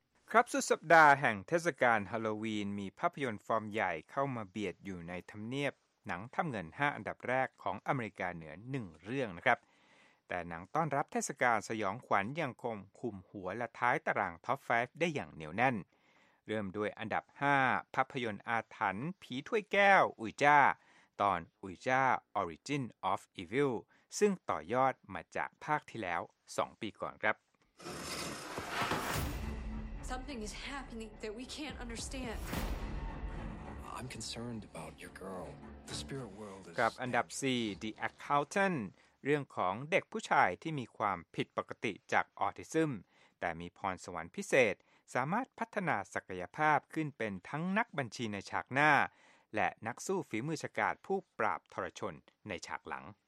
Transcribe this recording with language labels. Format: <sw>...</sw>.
<th>ครับสุดสัปดาห์แห่งเทศกาลฮาโลวีนมีภาพยนตร์ฟอร์มใหญ่เข้ามาเบียดอยู่ในทำเนียบหนังทำเงิน5อันดับแรกของอเมริกาเหนือ1เรื่องนะครับแต่หนังต้อนรับเทศกาลสยองขวัญยังคงคุมหัวและท้ายตารางท็อป5ได้อย่างเหนียวแน่นเริ่มด้วยอันดับ5ภาพยนตร์อาถรรพ์ผีถ้วยแก้วอุยจ้าตอนอุยจ้า Origin of Evil ซึ่งต่อยอดมาจากภาคที่แล้ว2ปีก่อนครับ</th> <en>Something is happening that we can't understand. I'm concerned about your girl. The spirit world is</en> <th>กับอันดับ4 The Accountant เรื่องของเด็กผู้ชายที่มีความผิดปกติจากออทิซึมแต่มีพรสวรรค์พิเศษสามารถพัฒนาศักยภาพขึ้นเป็นทั้งนักบัญชีในฉากหน้าและนักสู้ฝีมือฉกาจผู้ปราบทรชนในฉากหลัง</th>